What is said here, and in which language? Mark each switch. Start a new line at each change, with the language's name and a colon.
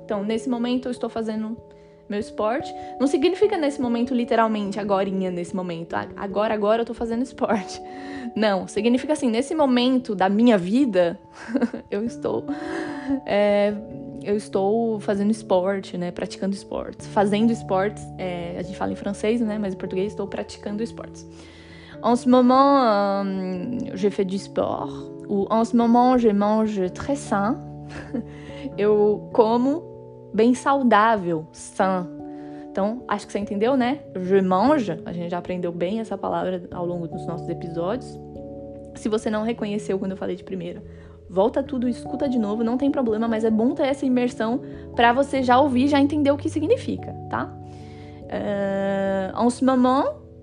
Portuguese: Então, nesse momento, eu estou fazendo... meu esporte, não significa nesse momento literalmente, agorinha, nesse momento agora eu tô fazendo esporte, não, significa assim, nesse momento da minha vida eu estou fazendo esporte, né, praticando esportes, fazendo esportes, a gente fala em francês, né, mas em português estou praticando esportes.
French: En ce moment je fais du sport, ou en ce moment je mange très sain.
Portuguese: Eu como bem saudável, sain. Então, acho que você entendeu, né? Je mange, a gente já aprendeu bem essa palavra ao longo dos nossos episódios. Se você não reconheceu quando eu falei de primeira, volta tudo, escuta de novo, não tem problema, mas é bom ter essa imersão pra você já ouvir, já entender o que significa, tá? En ce moment,